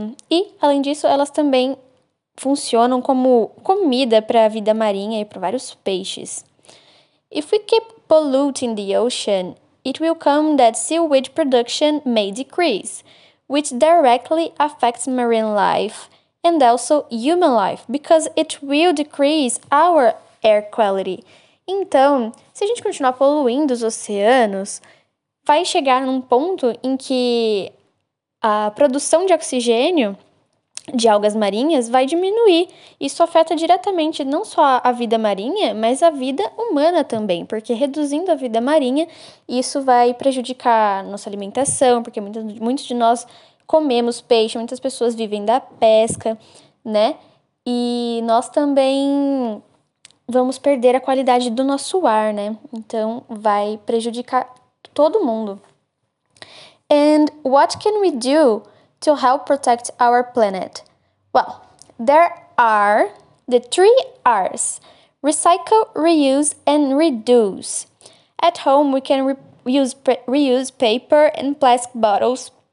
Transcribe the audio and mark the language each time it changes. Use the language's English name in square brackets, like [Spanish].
[Portuguese] E, além disso, elas também funcionam como comida para a vida marinha e para vários peixes. [English] If we keep polluting the ocean, it will come that seaweed production may decrease, which directly affects marine life and also human life, because it will decrease our air quality. [Portuguese] Então, se a gente continuar poluindo os oceanos, vai chegar num ponto em que a produção de oxigênio de algas marinhas vai diminuir. Isso afeta diretamente não só a vida marinha, mas a vida humana também, porque reduzindo a vida marinha, isso vai prejudicar nossa alimentação, porque muitos de nós comemos peixe, muitas pessoas vivem da pesca, né? E nós também vamos perder a qualidade do nosso ar, né? Então, vai prejudicar todo mundo. [English] And what can we do to help protect our planet? Well, there are the three R's. Recycle, reuse, and reduce. At home, we can reuse paper and plastic bottles.